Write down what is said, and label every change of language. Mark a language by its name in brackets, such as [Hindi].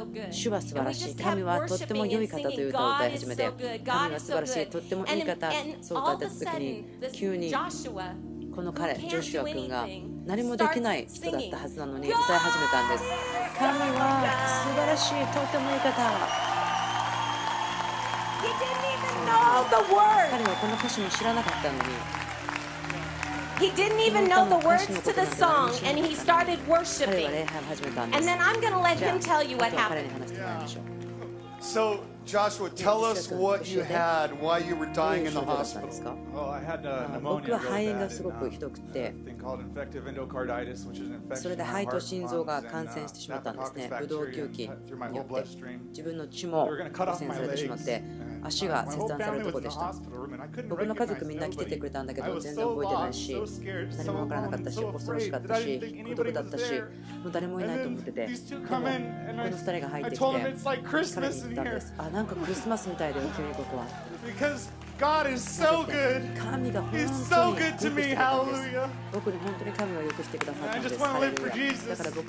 [Japanese] 主は素晴らしい、神はとっても良い方という歌を歌い始めて、神は素晴らしい、とっても良い方、そう歌った時に、急にこの彼ジョシュア君が何もできない人だったはずなのに歌い始めたんです。神は素晴らしい、とてもいい方。彼はこの歌詞も知らなかったのに、 [English] He didn't even know the words to the song, and he started worshiping. And then I'm going to let him tell you what happened. So, Joshua, tell us what you had, why you were dying in the hospital. Oh, I had pneumonia and a thing called infective endocarditis, which is an infection in the heart and lungs, and staphylococcus bacteria through my whole bloodstream. They were going to cut off my legs. [Japanese] 足が切断されるところでした。僕の家族みんな来ててくれたんだけど、全然覚えてないし、何もわからなかったし、恐ろしかったし、孤独だったし、もう誰もいないと思ってて、でもこの2人が入ってきて、彼に言ったんです。あ、なんかクリスマスみたいだよ、急にここは。 [English] God is so good. He's so good to me. Hallelujah. And I just want to live for Jesus.